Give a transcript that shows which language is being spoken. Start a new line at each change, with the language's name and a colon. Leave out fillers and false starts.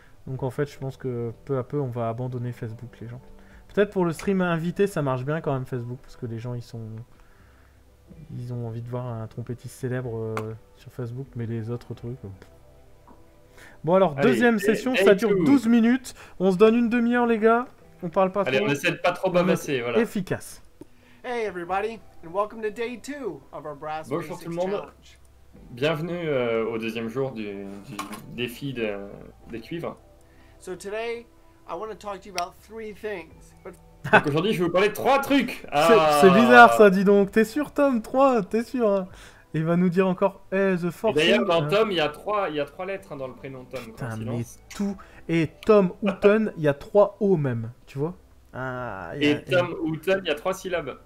French: Donc en fait, je pense que peu à peu, on va abandonner Facebook, les gens. Peut-être pour le stream invité, ça marche bien quand même, Facebook, parce que les gens, ils ont envie de voir un trompettiste célèbre sur Facebook, mais les autres trucs... Bon alors, allez, deuxième session, ça dure 12 minutes, on se donne une demi-heure, les gars. On parle pas allez, trop. Allez, on essaie de pas trop bavasser, voilà. Efficace.
English: Hey everybody, and welcome to day 2 of our Brass
French: Bonjour
English: Basics
French: tout le monde.
English: Challenge.
French: Bienvenue au deuxième jour du défi des cuivres.
English: So today, I want to talk to you about three things. But...
French: Donc aujourd'hui, je vais vous parler de trois trucs. Ah. C'est bizarre ça, dis donc. T'es sûr, Tom? Trois, t'es sûr hein. Il va nous dire encore hey, The Force. D'ailleurs, dans Tom, il y a trois lettres hein, dans le prénom Tom. Putain, quoi, mais tout. Et Tom Houghton, il y a trois O même, tu vois. Ah, et Tom Houghton, il y a trois syllabes.